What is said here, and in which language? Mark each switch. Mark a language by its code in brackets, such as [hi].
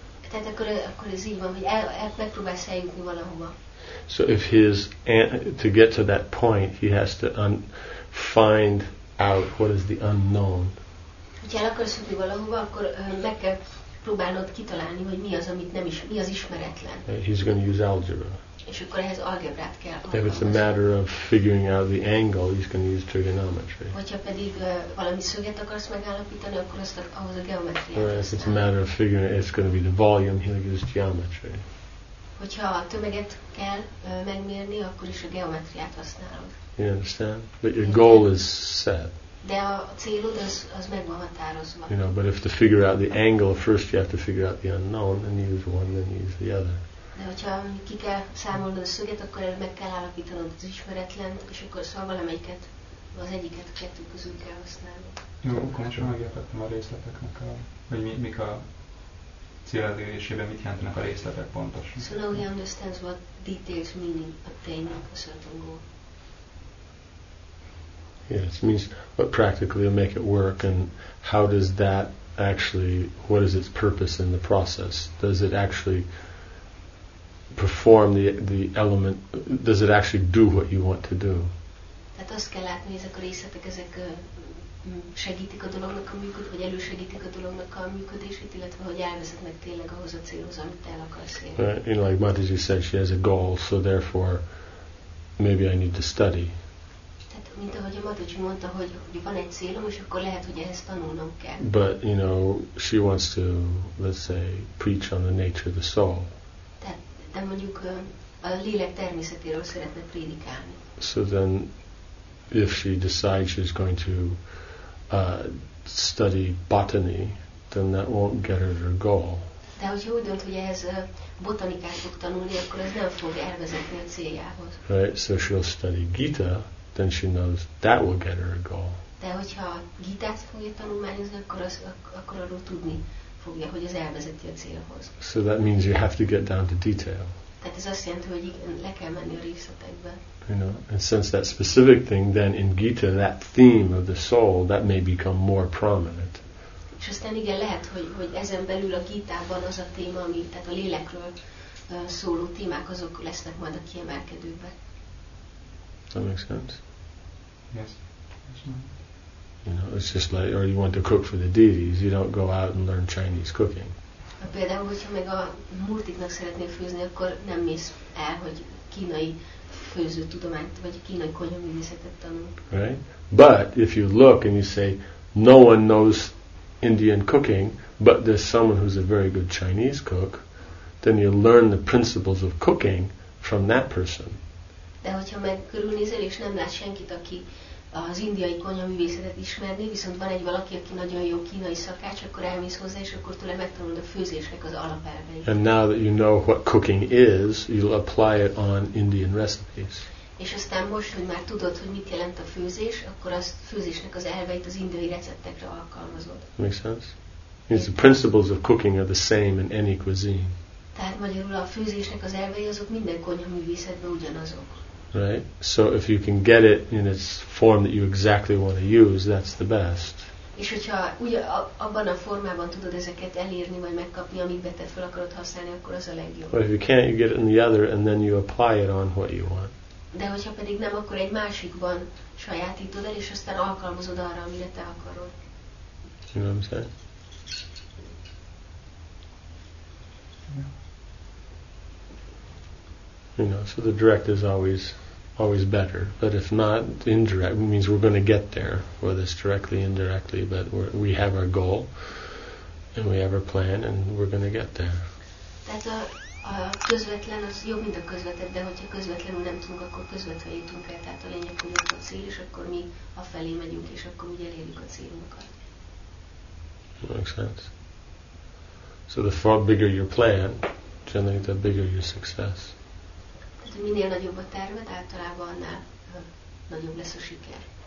[hu] Tehát akkor ez így van, hogy megpróbálsz eljutni valahova. [en] So if his to get to that point, he has to find out what is the unknown. [hu] Hogyha el akarsz jutni valahova, akkor meg kell próbálnod kitalálni, hogy mi az, amit nem is, mi az ismeretlen. [en] He's going to use algebra. [hu] És akkor ehhez algebrát kell. [en] If it's a matter of figuring out the angle, he's going to use trigonometry. [hu] Hogyha pedig valami szöget akarsz megállapítani, akkor azt ahhoz a geometriát. [en] Or if it's a matter of figuring, it's going to be the volume, he'll use geometry. [hu] Hogyha a tömeget kell megmérni, akkor is a geometriát használod. [en] You understand? But your goal is set. [hu] De a célod az meg van határozva. [en] You know, but if to figure out the angle, first you have to figure out the unknown, then you use one, then you use the other. [hu] De hogyha ki kell számolnod a szöget, akkor meg kell állapítanod az ismeretlent, és akkor szóval valamelyiket, az egyiket a kettő közül kell használni. Jó, akkor most megértettem a részleteknek, hogy mik a cél elérésében, mit jelentenek a részletek pontosan. [en] So now he understands what details mean in obtaining a certain goal. Yes, it means what practically will make it work, and how does that actually, what is its purpose in the process? Does it actually perform the element, does it actually do what you want to do? [hu] Tehát azt kell látni, ezek a részletek, ezek segítik a dolognak a működését, vagy elősegítik a dolognak a működését, illetve hogy elvezetnek tényleg ahhoz a célhoz, amit el akarsz érni. [en] Right, you know, like Mataji said, she has a goal, so therefore maybe I need to study. [hu] Tehát, mint ahogy a Mataji mondta, hogy van egy célom, és akkor lehet, hogy ehhez tanulnom kell. [en] But, you know, she wants to, let's say, preach on the nature of the soul. [hu] De mondjuk a lélek természetéről szeretne prédikálni. [en] So then, if she decides she's going to study botany, then that won't get her goal. [hu] De hogyha úgy dönt, hogy ehhez botanikát fog tanulni, akkor ez nem fog elvezetni a céljához. [en] Right, so she'll study Gita, then she knows that will get her goal. [hu] De hogyha Gitát fogja tanulmányozni, akkor arról tudni fogja, hogy az elvezeti a célhoz. [en] So that means you have to get down to detail. [hu] Tehát ez azt jelenti, hogy le kell menni a részletekbe. [en] You know, and since that specific thing, then in Gita, that theme of the soul, that may become more prominent. [hu] És aztán igen, lehet, hogy ezen belül a Gitában az a téma, ami, tehát a lélekről szóló témák, azok lesznek majd a kiemelkedőbe. [en] That makes sense? Yes. You know, it's just like, or you want to cook for the deities, you don't go out and learn Chinese cooking. [hu] Például, hogyha meg a multiknak szeretnél főzni, akkor nem mész el, hogy kínai főzőtudományt, vagy kínai konyhaművészetet tanul. [en] Right? But if you look and you say, no one knows Indian cooking, but there's someone who's a very good Chinese cook, then you learn the principles of cooking from that person. [hu] De hogyha meg körülnézel és nem látsz senkit, aki az indiai konyhaművészetet ismerni, viszont van egy valaki, aki nagyon jó kínai szakács, akkor elmész hozzá, és akkor tőle megtanulod a főzésnek az alapelveit. [en] And now that you know what cooking is, you'll apply it on Indian recipes. [hu] És aztán most, hogy már tudod, hogy mit jelent a főzés, akkor az főzésnek az elveit az indiai receptekre alkalmazod. [en] Makes sense? Means the principles of cooking are the same in any cuisine. [hu] Tehát magyarul a főzésnek az elvei azok minden konyhaművészetben ugyanazok. [en] Right? So if you can get it in its form that you exactly want to use, that's the best. [hu] És hogyha ugye abban a formában tudod ezeket elérni, vagy megkapni, amikbe te fel akarod használni, akkor az a legjobb. [en] But if you can't, you get it in the other, and then you apply it on what you want. [hu] De hogyha pedig nem, akkor egy másikban sajátítod el, és aztán alkalmazod arra, amire te akarod. [en] You know what I'm saying? You know, so the direct is always better. But if not, indirect means we're going to get there, whether it's directly, indirectly, but we have our goal, and we have our plan, and we're going to get there. [hu] Tehát a közvetlen az jobb, mint a közvetett, de hogyha közvetlenül nem tudunk, akkor közvetve jutunk el. Tehát a lényeg, hogy ott a cél, és akkor mi afelé megyünk, és akkor úgy elérjük a célunkat. [en] Makes sense. So the far bigger your plan, generally the bigger your success. [hu] Minél nagyobb a terved, általában annál nagyobb lesz a siker.